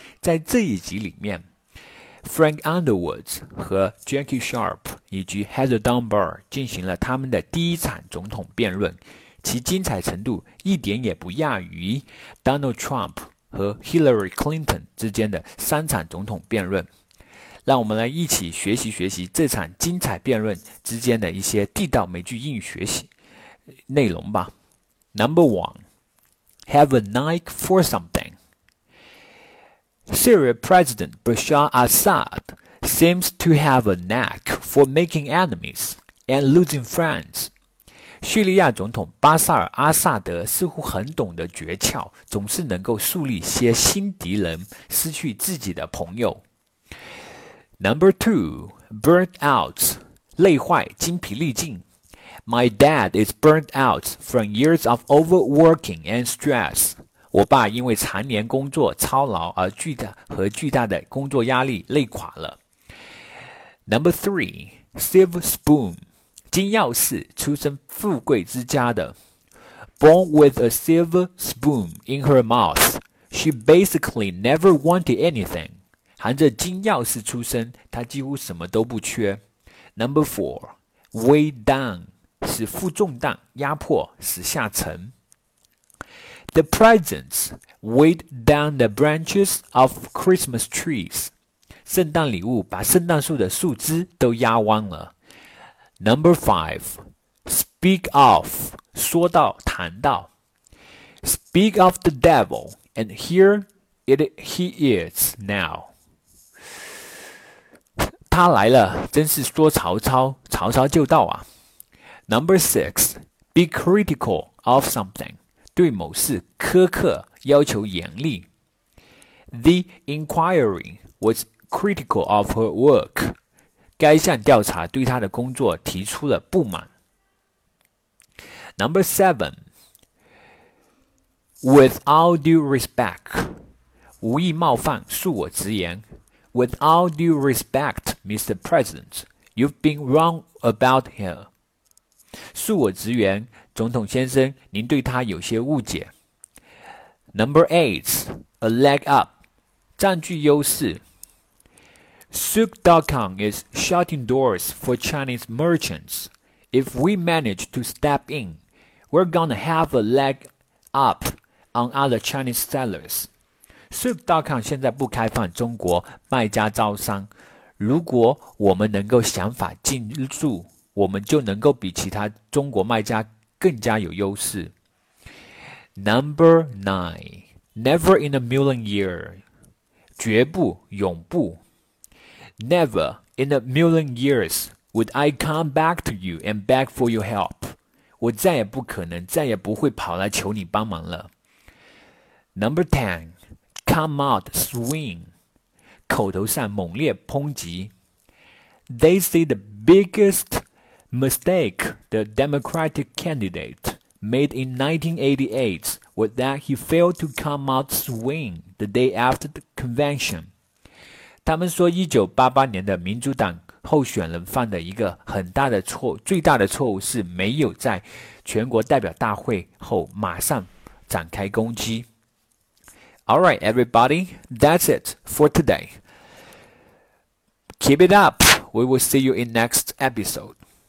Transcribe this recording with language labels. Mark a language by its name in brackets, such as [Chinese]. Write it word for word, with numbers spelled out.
[Chinese] 在这一集里面 ，Frank Underwood 和 Jackie Sharp 以及 Heather Dunbar 进行了他们的第一场总统辩论，其精彩程度一点也不亚于 Donald Trump 和 Hillary Clinton 之间的三场总统辩论。让我们来一起学习学习这场精彩辩论之间的一些地道美剧英语学习内容吧。 [English] Number one, have a knack for something. Syrian President Bashar Assad seems to have a knack for making enemies and losing friends. [Chinese] 叙利亚总统巴沙尔·阿萨德似乎很懂得诀窍，总是能够树立些新敌人，失去自己的朋友。 [English] Number two, burnt out, [Chinese] 累坏，精疲力尽。 [English] My dad is burnt out from years of overworking and stress. [Chinese] 我爸因为常年工作操劳而巨大和巨大的工作压力累垮了。 [English] Number three, silver spoon, [Chinese] 金钥匙，出身富贵之家的。 [English] Born with a silver spoon in her mouth, she basically never wanted anything. [Chinese] 含着金钥匙出生，他几乎什么都不缺。 [English] Number four, weighed down, [Chinese] 使负重担，压迫，使下沉。 [English] The presents weighed down the branches of Christmas trees. [Chinese] 圣诞礼物把圣诞树的树枝都压弯了。 [English] Number five, speak of, [Chinese] 说到，谈到。 [English] Speak of the devil, and here it he is now. [Chinese] 他来了，真是说曹操，曹操就到啊。 [English] Number six, be critical of something. [Chinese] 对某事苛刻，要求严厉。 [English] The inquiry was critical of her work. [Chinese] 该项调查对她的工作提出了不满。 [English] Number seven, with all due respect. [Chinese] 无意冒犯，恕我直言。 [English] With all due respect, Mister President, you've been wrong about her. [Chinese] 恕我直言，总统先生，您对他有些误解。 [English] Number eight, a leg up, [Chinese] 占据优势。 [English] Suk Dokang is shutting doors for Chinese merchants. If we manage to step in, we're gonna have a leg up on other Chinese sellers. [Chinese] Souq 现在不开放中国卖家招商，如果我们能够想法进驻，我们就能够比其他中国卖家更加有优势。 [English] Number nine, never in a million years, [Chinese] 绝不，永不。 [English] Never in a million years would I come back to you and beg for your help. [Chinese] 我再也不可能，再也不会跑来求你帮忙了。 [English] Number ten. Come out swing, [Chinese] 口头上猛烈抨击。 [English] They say the biggest mistake the Democratic candidate made in nineteen eighty-eight was that he failed to come out swing the day after the convention. [Chinese] 他们说一九八八年的民主党候选人犯的一个很大的错，最大的错误是没有在全国代表大会后马上展开攻击。 [English] Alright, everybody, that's it for today. Keep it up. We will see you in next episode.